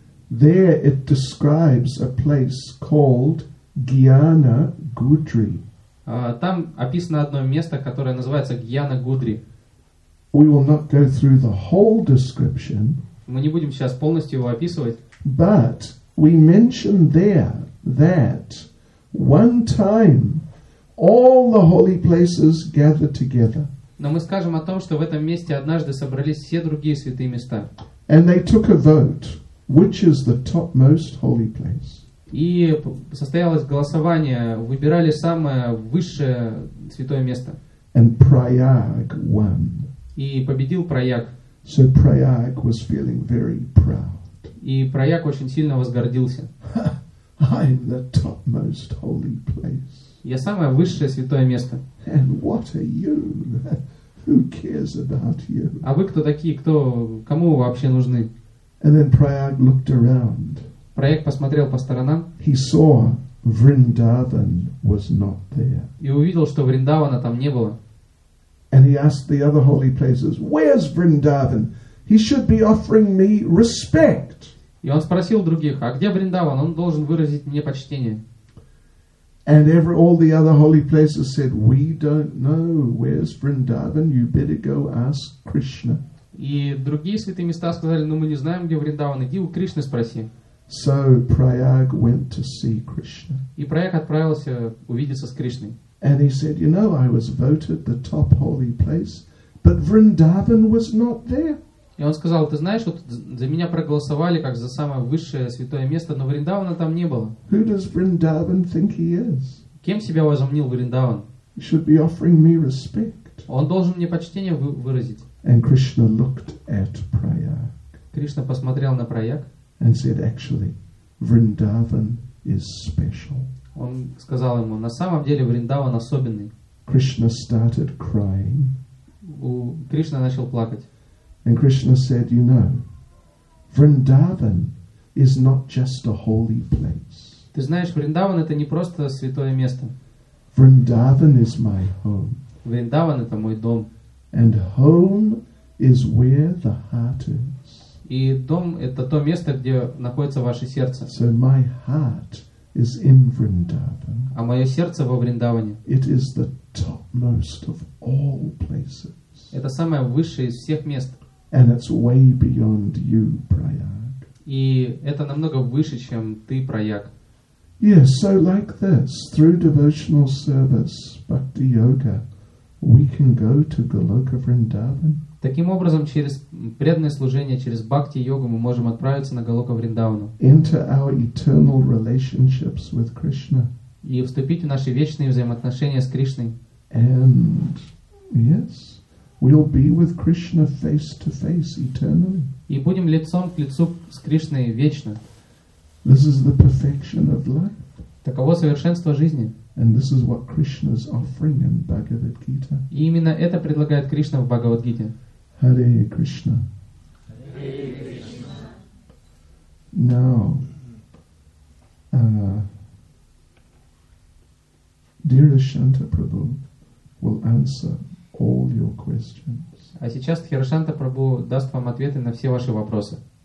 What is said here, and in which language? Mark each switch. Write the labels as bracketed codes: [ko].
[en] There it describes a place called Gyana Gudri. [ru] Там описано одно место, которое называется Гьяна Гудри. [en] We will not go through the whole description. [ru] Мы не будем сейчас полностью его описывать. [en] But we mention there that one time all the holy places gathered together. [ru] Но мы скажем о том, что в этом месте однажды собрались все другие святые места. [en] And they took a vote, which is the topmost holy place. [ru] И состоялось голосование, выбирали самое высшее святое место. [en] And Prayag won. [ru] И победил Прояг. [en] So Prayag was feeling very proud. [ru] И Прояг очень сильно возгордился. [en] I'm the topmost holy place. [ru] Я самое высшее святое место. [en] And what are you? Who cares about you? [ru] А вы кто такие? Кто? Кому вы вообще нужны? [en] And then Prayag looked around. [ru] Прояг посмотрел по сторонам. [en] He saw Vrindavan was not there. [ru] И увидел, что Вриндавана там не было. [en] And he asked the other holy places, "Where's Vrindavan? He should be offering me respect." [ru] И он спросил других, а где Вриндаван? Он должен выразить мне почтение. [en] And all the other holy places said, we don't know, where's Vrindavan, you better go ask Krishna. [ru] И другие святые места сказали, ну мы не знаем, где Вриндаван, иди у Кришны спроси. [en] So Prayag went to see Krishna. [ru] И Прайяг отправился увидеться с Кришной. [en] And he said, you know, I was voted the top holy place, but Vrindavan was not there. [ru] И он сказал, ты знаешь, вот за меня проголосовали как за самое высшее святое место, но Вриндавана там не было. [en] Who does Vrindavan think he is? [ru] Кем себя возомнил Вриндаван? [en] He should be offering me respect. [ru] Он должен мне почтение выразить. [en] And Krishna looked at Prayag. [ru] Кришна посмотрел на Прайяг. [en] And said, actually, Vrindavan is special. [ru] Он сказал ему, на самом деле Вриндаван особенный. [en] Krishna started crying. [ru] Кришна начал плакать. [en] And Krishna said, you know, Vrindavan is not just a holy place. [ru] Ты знаешь, Вриндаван это не просто святое место. [en] Vrindavan is my home. [ru] Вриндаван это мой дом. [en] And home is where the heart is. [ru] И дом это то место, где находится ваше сердце. [en] So my heart is in Vrindavan. [ru] А мое сердце во Вриндаване. [en] It is the topmost of all places. [ru] Это самое высшее из всех мест. [en] And it's way beyond you, Prayag. [ru] И это намного выше, чем ты, Прайяг. [en] Yes, so like this, through devotional service, bhakti yoga, we can go to Goloka Vrindavan. [ru] Таким образом, через преданное служение, через бхакти йогу, мы можем отправиться на Голока Вриндавану. [en] Into our eternal relationships with Krishna. [ru] И вступить в наши вечные взаимоотношения с Кришной. [en] And yes, we'll be with Krishna face to face eternally. [ru] И будем лицом к лицу с Кришной вечно. [en] This is the perfection of life. [ru] Таково совершенство жизни. [en] And this is what Krishna is offering in Bhagavad Gita. [ru] И именно это предлагает Кришна в Бхагавад-гите. [en] Hare Krishna. Hare Krishna. Now, dearest Shanta Prabhu will answer all your questions. [ru] А сейчас Хиршанта Прабху даст вам ответы на все ваши вопросы.